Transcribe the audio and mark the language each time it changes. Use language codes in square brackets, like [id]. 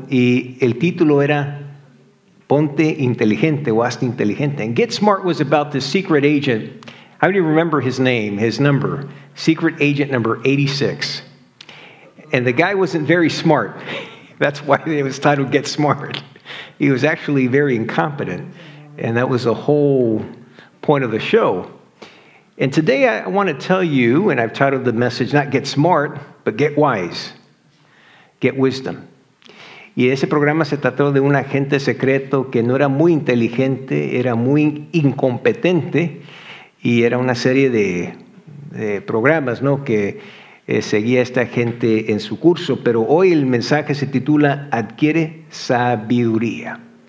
[es] Y el título era Ponte Inteligente o Hazte Inteligente. [en] And Get Smart was about this secret agent. How do you remember his name, his number? Secret agent number 86. And the guy wasn't very smart. That's why it was titled Get Smart. He was actually very incompetent. And that was the whole point of the show. And today I want to tell you, and I've titled the message, not Get Smart, but Get Wise. Get Wisdom. [es] Y ese programa se trató de un agente secreto que no era muy inteligente, era muy incompetente. Y era una serie de programas, ¿no?, que seguía esta gente en su curso, pero hoy el mensaje se titula Adquiere Sabiduría.